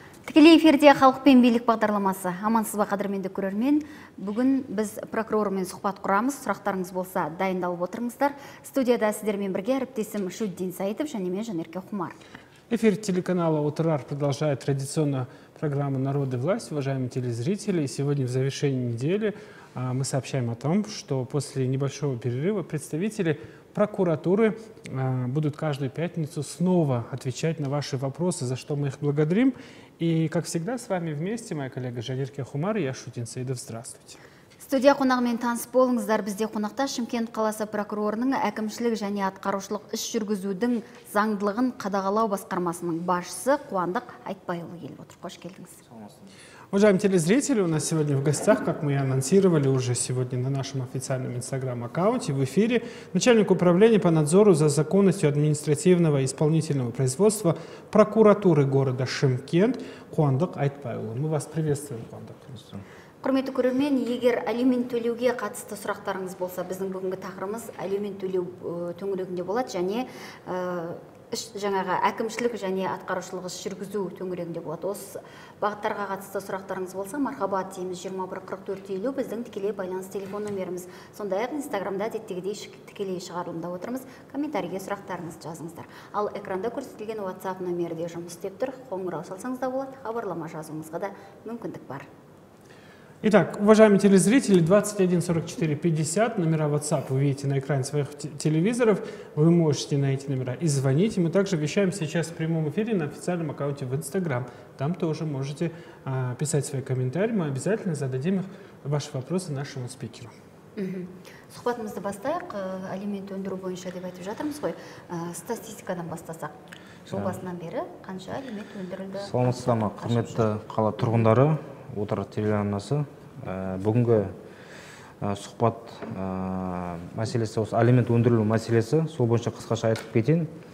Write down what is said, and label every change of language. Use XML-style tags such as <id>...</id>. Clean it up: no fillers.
<kk>Тікелей эфирде халық пен билік бағдарламасы. Амансыз ба, қадірменді көрермен. Бүгін біз прокурормен сұхбат құрамыз. Сұрақтарыңыз болса, дайындалып отырыңыздар. Студияда сіздермен бірге әріптесім Шудин Саитов және мен Жанерке Хумар.</kk> <ru>Эфир телеканала «Отырар» продолжает традиционно программу «Народ и власть». Уважаемые телезрители, сегодня в завершении недели мы сообщаем о том, что после небольшого перерыва представители прокуратуры будут каждую пятницу снова отвечать на ваши вопросы, за что мы их благодарим. И, как всегда, с вами вместе моя коллега Жанерке Хумар и я, Шудин Саидов. Здравствуйте.</ru> <kk>Студия қонағымен таныс болыңыздар. Бізде қонақта Шымкент қаласы прокурорының әкімшілік және атқарушылық іс жүргізудің заңдылығын қадағалау басқармасының басшысы Қуандық Айтбайұлы келіп отыр. Қош келдіңіз.</kk> <ru>Уважаемые телезрители, у нас сегодня в гостях, как мы и анонсировали уже сегодня на нашем официальном инстаграм-аккаунте, в эфире начальник управления по надзору за законностью административного и исполнительного производства прокуратуры города Шымкент Қуандық Айтбайұлы. Мы вас приветствуем, Қуандық.</ru> <kk>Құрметті көрермен, егер алимент төлеуге қатысты сұрақтарыңыз болса, біздің бүгінгі тақырымыз алимент төлеу төңірегінде болады және жаңағы әкімшілік және атқарушылық іс жүргізу төңірегінде болады. Осы бағыттарға қатысты сұрақтарыңыз болса, мархаба дейміз 21-44-50 біздің тікелей байланыс телефон нөміріміз. Сондай-ақ инстаграмда әдеттегідей тікелей шығарылымда отырмыз. Комментарийге сұрақтарыңызды жазыңыздар. Ал экранда көрсетілген WhatsApp нөмірі де жұмыс істеп тұр. Қоңырау шалсаңыз да болады. Хабарлама жазуыңызға да мүмкіндік бар.</kk> <ru>Итак, уважаемые телезрители, 21-44-50, номера WhatsApp вы видите на экране своих телевизоров, вы можете на эти номера и звонить. Мы также вещаем сейчас в прямом эфире на официальном аккаунте в Instagram. Там тоже можете писать свои комментарии, мы обязательно зададим их, ваши вопросы нашему спикеру.</ru> <kk>Сұхбатымызды бастайық, алимент өндіру бойынша деп айтып жатырмыз ғой, статистикадан бастасақ. Жыл басынан бері қанша алимент өндірілді? Саламатсыз ба, құрметті қала тұрғындары. Отыр телеарнасы. Бүгінгі сұхбат мәселесі, осы алимент өндірілу мәселесі, сол бойынша қысқаша айтып кетейін.</kk>